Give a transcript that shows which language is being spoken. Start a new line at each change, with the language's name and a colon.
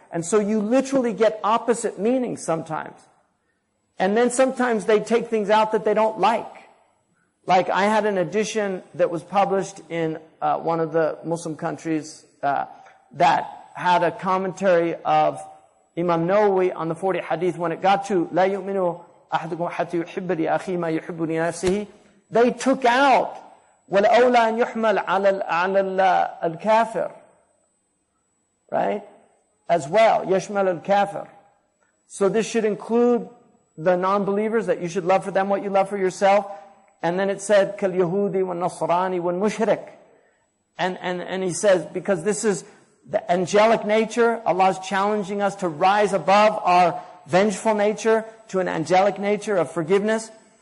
English: And so you literally get opposite meanings sometimes. And then sometimes they take things out that they don't like. Like I had an edition that was published in one of the Muslim countries that had a commentary of Imam Nawawi on the 40 hadith. When it got to
Arabic: لا يؤمنوا أحدكم حتى يحب لأخي ما يحب لنفسه,
English: they took out
Arabic: والأولى أن يحمل على الكافر, right?
English: As well,
Arabic: يشمل الكافر.
English: So this should include the non-believers, that you should love for them what you love for yourself. And then it said
Arabic: كاليهودي والنصراني والمشرك,
English: and he says because this is the angelic nature, Allah is challenging us to rise above our vengeful nature to an angelic nature of forgiveness.